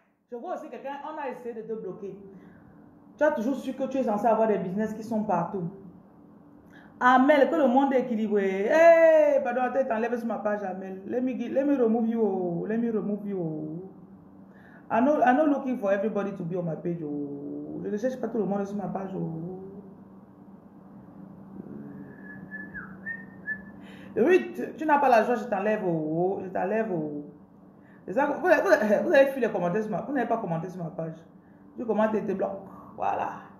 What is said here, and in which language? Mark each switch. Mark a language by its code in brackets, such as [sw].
[fr] Je vois aussi quelqu'un, on a essayé de te bloquer. Tu as toujours su que tu es censé avoir des business qui sont partout. Amen, que le monde est équilibré. Hey, pardon, attends, t'enlèves sur ma page, Amen. [en] Let me remove you. Oh. Let me remove you. Oh. I'm not looking for everybody to be on my page. Oh. [fr] Je ne cherche pas tout le monde sur ma page. Oh. Oui, tu n'as pas la joie, je t'enlève. Oh. Je t'enlève. Oh. Vous avez fui les commentaires sur ma page. Vous n'avez pas commenté sur ma page. Tu commentes et tu bloques. Voilà.